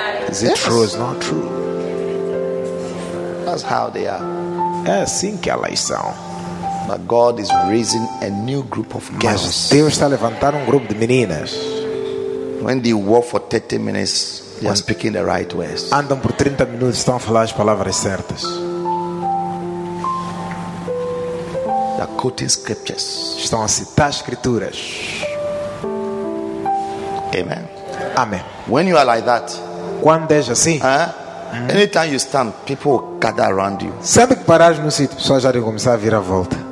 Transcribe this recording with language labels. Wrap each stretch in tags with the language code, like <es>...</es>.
<en>Is it true? Is not true? That's how they are.</en> <pt>É assim que elas são.</pt> <en>But God is raising a new group of girls.</en> <pt>Mas Deus está levantando grupo de meninas.</pt> <en>When they walk for 30 minutes, they are speaking the right words.</en> <pt>Andam por 30 minutos, estão a falar as palavras certas.</pt> <en>They are quoting scriptures.</en> <pt>Estão a citar escrituras.</pt> <en>Amen.</en> <pt>Amen.</pt> <en>When you are like that,</en> <pt>quando és assim,</pt> <en>Anytime you stand, people will gather around you.</en> <pt>Sempre que parares no sítio, pessoas já vão começar a vir à volta.</pt>